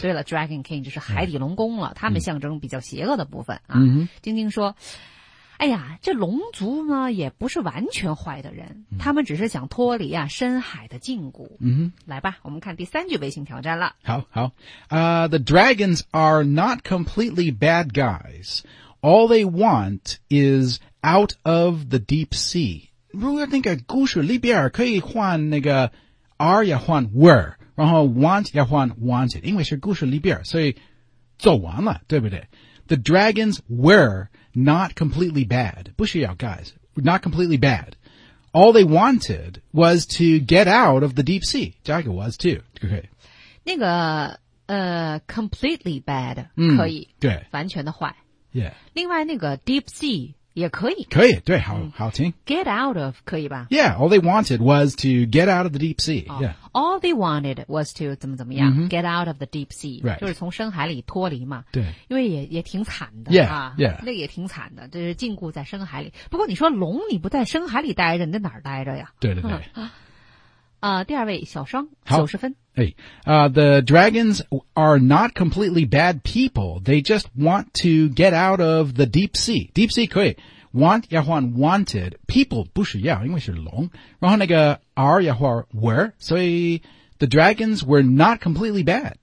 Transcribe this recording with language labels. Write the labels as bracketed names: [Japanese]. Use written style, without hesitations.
[Chinese] 对了 ,Dragon King 就是海底龙宫了、right. 他们象征比较邪恶的部分啊。 Mm-hmm. 晶晶说，哎呀，这龙族呢也不是完全坏的人、 mm-hmm. 他们只是想脱离啊深海的禁锢。嗯、mm-hmm. 来吧，我们看第三句微信挑战了。好好。 [English] The dragons are not completely bad guys. All they want is out of the deep sea. [Chinese] 如果那个故事里边可以换那个 are 也换 were, 然后 want 也换 wanted, 因为是故事里边，所以做完了，对不对？ [English] The dragons were not completely bad. [Chinese] 不需要 guys, not completely bad. [English] All they wanted was to get out of the deep sea. [Chinese] 加个 [English] was too. Okay. [Chinese] 那个completely bad、可以，对，完全的坏。 [English] Yeah. [Chinese] 另外那个 deep sea 也可以。可以，对，好、好听。 [English] Get out of, [Chinese] 可以吧？ [English] Yeah, all they wanted was to get out of the deep sea.、 Oh, yeah. All they wanted was to, [Chinese] 怎么怎么样、 mm-hmm. [English] get out of the deep sea.、 Right. [Chinese] 就是从深海里脱离嘛。对。因为也挺惨的。 [English] Yeah, 啊、 yeah. [Chinese] 那也挺惨的，就是禁锢在深海里。不过你说龙你不在深海里待着，你在哪儿待着呀？对对对。第二位小双90分。 [English] Hey, the dragons are not completely bad people. They just want to get out of the deep sea. [Chinese] Deep sea 可以。Want 要换 wanted. People 不是要因为是龙。然后那个 are 要换 were. 所以 [English] the dragons were not completely bad.